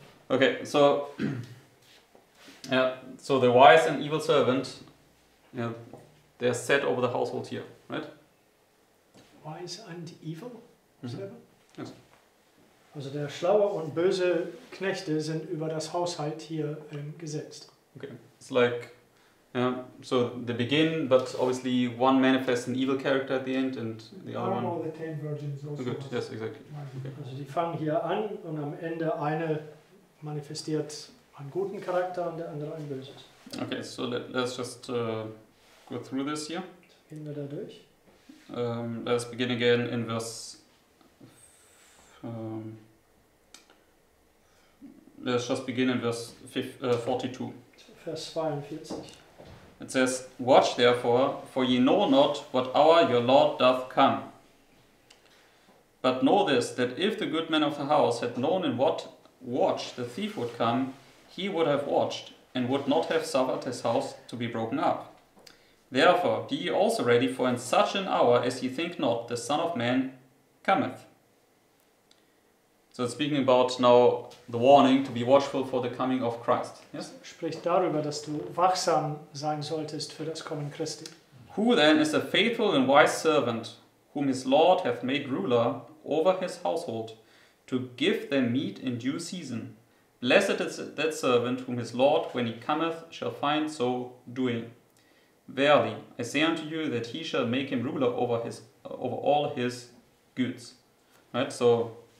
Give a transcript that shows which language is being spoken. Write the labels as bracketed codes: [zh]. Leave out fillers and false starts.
[en] Okay, so yeah, so the wise and evil servant, yeah, they're set over the household here, right? Wise and evil servant? Yes. [de] Also der schlaue und böse Knechte sind über das Haushalt hier gesetzt. [en] Okay, it's like, so the begin, but obviously one manifests an evil character at the end, and the other one. All the ten virgins also. Good. Yes, exactly. Okay. [de] Also, sie fangen hier an, und am Ende eine manifestiert einen guten Charakter, und der andere ein böses. [en] Okay, so let's just go through this here. [de] Gehen wir da durch. [en] Let's begin again in verse. Let's just begin in verse 42. [de] Vers 42. [en] It says, "Watch therefore, for ye know not what hour your Lord doth come. But know this, that if the good man of the house had known in what watch the thief would come, he would have watched, and would not have suffered his house to be broken up. Therefore, be ye also ready, for in such an hour as ye think not, the Son of Man cometh." So it's speaking about now the warning to be watchful for the coming of Christ. Yes? [de] Spricht darüber, dass du wachsam sein solltest für das Kommen Christi. [en] Who then is a faithful and wise servant, whom his Lord hath made ruler over his household, to give them meat in due season? Blessed is that servant whom his Lord, when he cometh, shall find so doing. Verily, I say unto you that he shall make him ruler over all his goods. Right, so.